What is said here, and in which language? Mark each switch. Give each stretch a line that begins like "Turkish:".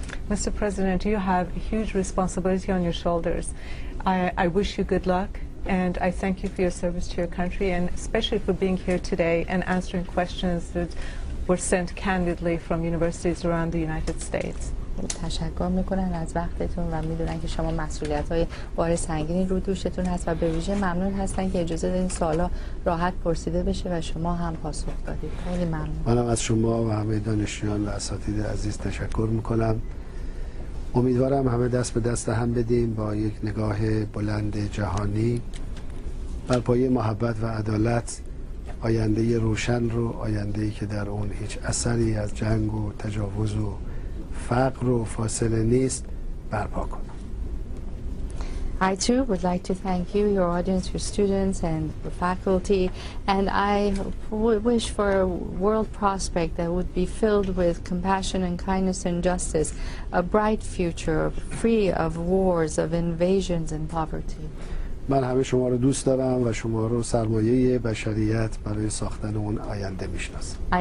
English: Mr. President, you have a huge responsibility on your shoulders. I wish you good luck, and I thank you for your service to your country, and especially for being here today and answering questions that were sent candidly from universities around the United States.
Persian: تشکر میکنن از وقتتون و میدونن که شما مسئولیت‌های بار سنگینی رو دوشتون هست و به ویژه ممنون هستن که اجازه دادین سوالا راحت پرسیده بشه و شما هم پاسخ دادید. خیلی ممنون. منم از شما و همه دانشجویان و اساتید عزیز تشکر میکنم. امیدوارم همه دست به دست هم بدیم با یک نگاه بلند جهانی بر پایه محبت و عدالت، آینده روشن رو، آینده ای که در اون هیچ اثری از جنگ و تجاوز و فقر و فاصله نیست، برپا کنیم.
English: I too would like to thank you, your audience, your students, and the faculty. And I wish for a world prospect that would be filled with compassion and kindness and justice, a bright future free of wars, of invasions, and poverty.
Persian: من همه شما رو دوست دارم و شما رو سرمایه بشریت برای ساختن اون آینده میشناسم.